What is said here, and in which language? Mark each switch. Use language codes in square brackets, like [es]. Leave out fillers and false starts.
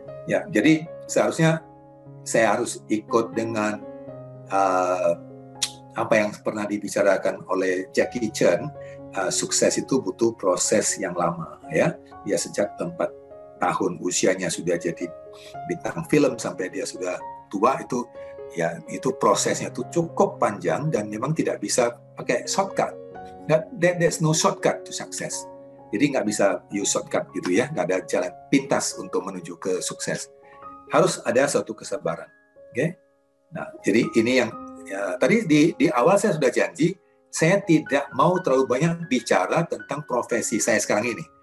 [id] Ya, jadi seharusnya saya harus ikut dengan apa yang pernah dibicarakan oleh Jackie Chan, sukses itu butuh proses yang lama ya. Dia sejak 4 tahun usianya sudah jadi bintang film sampai dia sudah tua itu ya, itu prosesnya itu cukup panjang dan memang tidak bisa pakai shortcut. [en] There's no shortcut to success. [id] Jadi nggak bisa [en] use shortcut [id] gitu ya, nggak ada jalan pintas untuk menuju ke sukses. Harus ada suatu kesabaran, oke? Okay? Nah, jadi ini yang ya, tadi di awal saya sudah janji saya tidak mau terlalu banyak bicara tentang profesi saya sekarang ini.